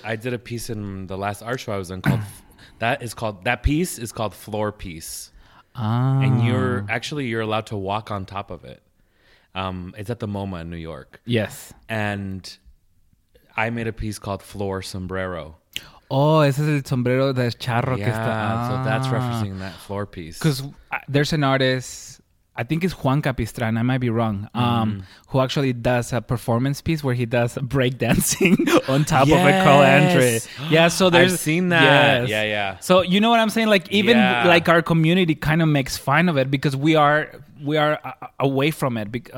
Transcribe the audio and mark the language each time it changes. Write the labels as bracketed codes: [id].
[en] I did a piece in the last art show I was in called, that piece is called Floor Piece. Oh. And you're allowed to walk on top of it. It's at the MoMA in New York. Yes. And I made a piece called Floor Sombrero. [es] Oh, ese es el sombrero de charro que está. [en] So that's referencing that floor piece. Because there's an artist, I think it's Juan Capistrán, I might be wrong, who actually does a performance piece where he does break dancing on top of a Carl Andre. Yeah, so there's... I've seen that. Yes. Yeah, yeah. So you know what I'm saying? Like even like our community kind of makes fun of it because we are away from it.